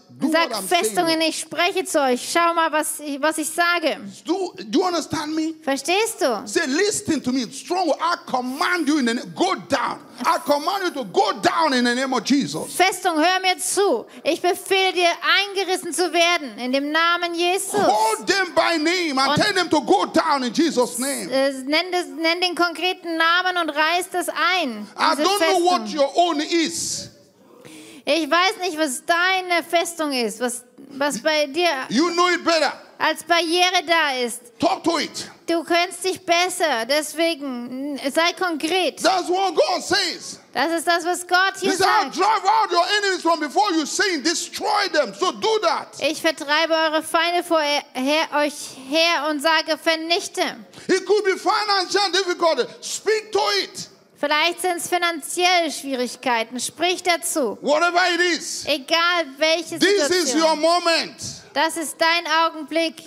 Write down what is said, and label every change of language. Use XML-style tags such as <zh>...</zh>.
<de>Sag Festungen, ich spreche zu euch. Schau mal, was ich sage.</de> <en>Do you understand me?</en> <de>Verstehst du?</de> <en>Say, listen to me, strong. I command you in the name. Go down. I command you to go down in the name of Jesus.</en> <de>Festung, hör mir zu. Ich befehle dir, eingerissen zu werden in dem Namen Jesus.</de> <en>Hold them by name and tell them to go down in Jesus' name.</en> <de>Nenn den konkreten Namen und reiß das ein.</de> <en>I don't know what your own is.</en> <de>Ich weiß nicht, was deine Festung ist, was bei dir</de> <en>you know it better.</en> <de>Als Barriere da ist.</de> <en>Talk to it.</en> <de>Du kennst dich besser, deswegen sei konkret.</de> <en>That's what God says.</en> <de>Das ist das, was Gott hier</de> <en>he said,</en> <de>sagt.</de> <en>I drive out your enemies from before you sin, destroy them. So do that.</en> <de>Ich vertreibe eure Feinde vor euch her und sage, vernichte.</de> <en>It could be financial difficulty. Speak to it.</en> <de>Vielleicht sind es finanzielle Schwierigkeiten. Sprich dazu.</de> <en>Whatever it is.</en> <de>Egal welche</de> <en>this</en> <de>Situation.</de> <en>This is your moment.</en> <de>Das ist dein Augenblick.</de>